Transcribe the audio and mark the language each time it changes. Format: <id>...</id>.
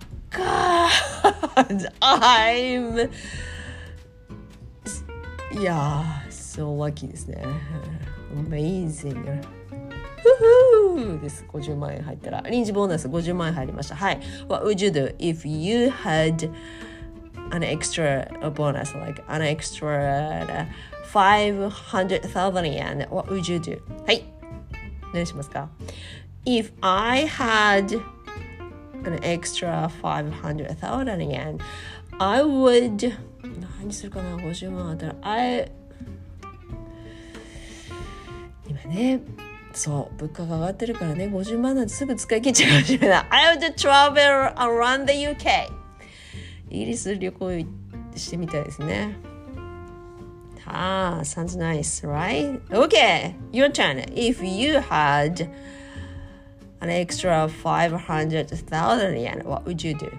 <en>God, I'm, yeah, so lucky ですね。 Amazing. です。</en> <ja>50万円入ったら臨時ボーナス50万円入りました。はい。</ja> <en>What would you do if you had an extra bonus like an extra 500,000 yen? What would you do? はい。何しますか。 If I had an extra 500,000 yen, I would 何するかな。</en> <ja>50万あったら I 今ね。そう、物価が上がってるからね、50万なんてすぐ使い切っちゃうかもしれない。</ja> <en>I would travel around the UK.</en> <ja>イギリス旅行してみたいですね。</ja> <en>ああ、sounds nice, right? Okay, your turn. If you had an extra 500,000 yen, what would you do?</en>